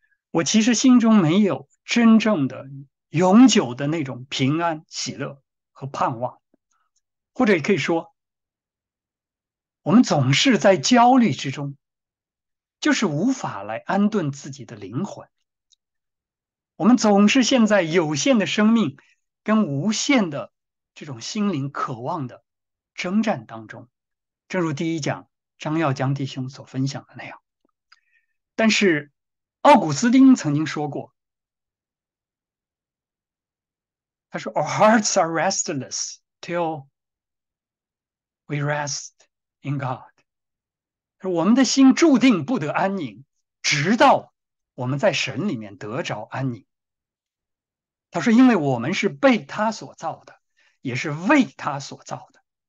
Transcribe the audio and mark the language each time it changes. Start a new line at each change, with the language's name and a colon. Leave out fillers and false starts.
Chinese: 我其实心中没有真正的、永久的那种平安、喜乐和盼望，或者也可以说，我们总是在焦虑之中，就是无法来安顿自己的灵魂。我们总是陷在有限的生命跟无限的这种心灵渴望的征战当中，正如第一讲张耀江弟兄所分享的那样。但是，奥古斯丁曾经说过，他说：“
English: Our hearts are restless till we rest in God。
Chinese: ”我们的心注定不得安宁，直到我们在神里面得着安宁。他说：“因为我们是被他所造的，也是为他所造的。”